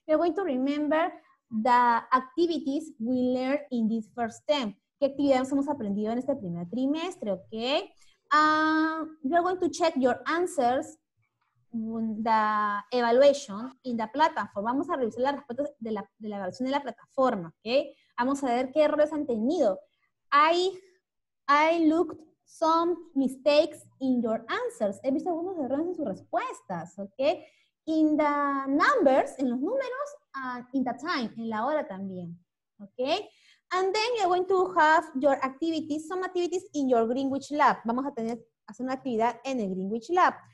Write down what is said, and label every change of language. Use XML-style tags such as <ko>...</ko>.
<en>You're going to remember the activities we learned in this first term.</en> <es>¿Qué actividades hemos aprendido en este primer trimestre, okay?</es> <en>You're going to check your answers, the evaluation in the platform.</en> <es>Vamos a revisar las respuestas de la evaluación de la plataforma, okay? Vamos a ver qué errores han tenido.</es> <en>I looked some mistakes in your answers.</en> <es>He visto algunos errores en sus respuestas, okay?</es> <en>In the numbers,</en> <es>en los números,</es> <en>in the time,</en> <es>en la hora también,</es> <en>okay? And then you're going to have your activities, some activities in your Greenwich Lab.</en> <es>Vamos a tener, hacer una actividad en el Greenwich Lab.</es>